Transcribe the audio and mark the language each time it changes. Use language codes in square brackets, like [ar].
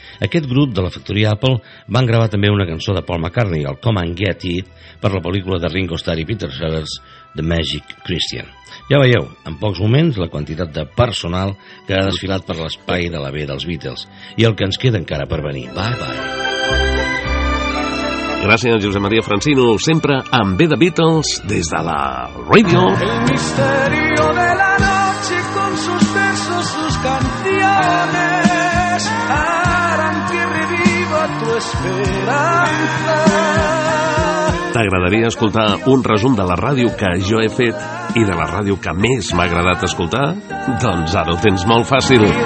[ca] Aquest grup de la factoria Apple van gravar també una cançó de Paul McCartney, el Come and Get It, per la pel·lícula de Ringo Starr i Peter Sellers, The Magic Christian. Ja veieu, en pocs moments, la quantitat de personal que ha desfilat per l'espai de la B dels Beatles. I el que ens queda encara per venir. [en] Bye, bye. [ca] Gràcies, Josep Maria Francino, sempre amb B de Beatles des de la radio. [es] El misterio de la noche con sus versos, sus canciones harán que reviva tu esperanza. [ca] T'agradaria escoltar un resum de la ràdio que jo he fet i de la ràdio que més m'ha agradat escoltar? Doncs ara ho tens molt fàcil.